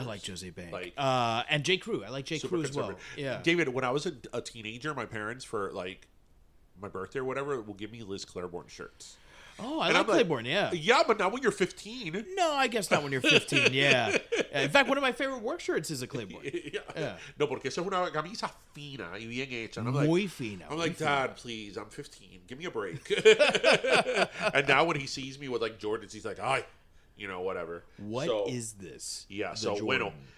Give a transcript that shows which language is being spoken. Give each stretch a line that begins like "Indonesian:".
English: I like Jossie Banks. Like, and J. Crew. I like J. Crew as well. Yeah. David, when I was a teenager, my parents for like my birthday or whatever will give me Liz Claiborne shirts. Oh, I like Claiborne, yeah. Yeah, but not when you're 15. No, I guess not when you're 15, yeah. In fact, one of my favorite work shirts is a Claiborne. Yeah.
Spanish: No, porque es una camisa fina y bien hecha. Muy fina.
English: I'm like, Dad, please, I'm 15. Give me a break. And now when he sees me with, like, Jordans, he's like, ay, you know, whatever. What is this? Yeah, so, bueno.